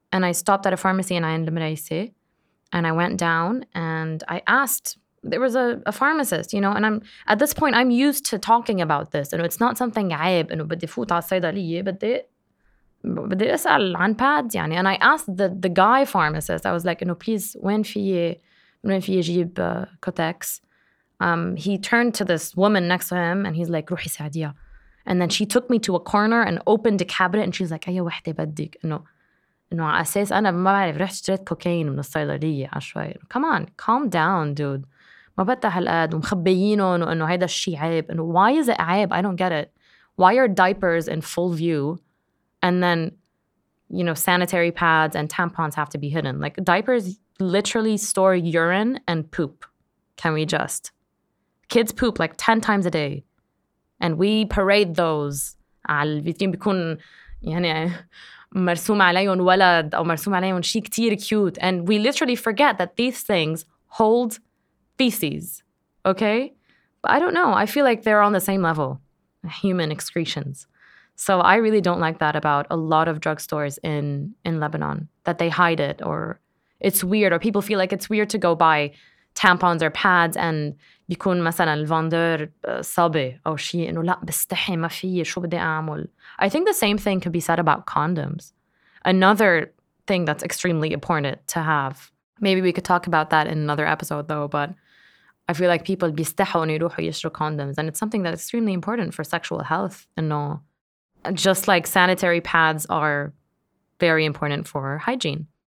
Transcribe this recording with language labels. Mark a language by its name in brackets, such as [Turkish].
[English] And I stopped at a pharmacy in Ayan Lemraisi. And I went down and I asked, there was a pharmacist, you know, and I'm at this point, I'm used to talking about this. And it's not something عيب, but they asked عن pads. [Arabic] يعني. [English] And I asked the guy pharmacist, I was like, please, when [Arabic] في يجيب [English] Kotex. He turned to this woman next to him and he's like, [Arabic] روحي ساعديها. [English] And then she took me to a corner and opened a cabinet and she's like, [Arabic] أي وحدة بدك؟ إنه على أساس أنا ما بعرف رحت اشتريت كوكايين من الصيدلية عشوائي. [English] Come on, calm down, dude. [Arabic] ما بدها هالقد ومخبيينهم وإنه هيدا الشيء عيب. [English] And why is it عيب? I don't get it. Why are diapers in full view and then, you know, sanitary pads and tampons have to be hidden? Like, diapers literally store urine and poop. Can we just? Kids poop like 10 times a day. And we parade those. [Arabic] على الفيترين بيكون يعني مرسوم عليهم ولد أو مرسوم عليهم شيء كتير cute. [English] And we literally forget that these things hold feces. Okay? But I don't know. I feel like they're on the same level. Human excretions. So I really don't like that about a lot of drugstores in Lebanon. That they hide it or it's weird. Or people feel like it's weird to go buy tampons or pads and [Arabic] بيكون مثلا الفندر صبي أو شيء إنه لا بستحي ما فيه شو بدي أعمل. [English] I think the same thing could be said about condoms. Another thing that's extremely important to have. Maybe we could talk about that in another episode though, but I feel like people [Arabic] بيستحوا إنه يروحوا يشتروا [English] condoms and it's something that's extremely important for sexual health. إنه just like sanitary pads are very important for hygiene.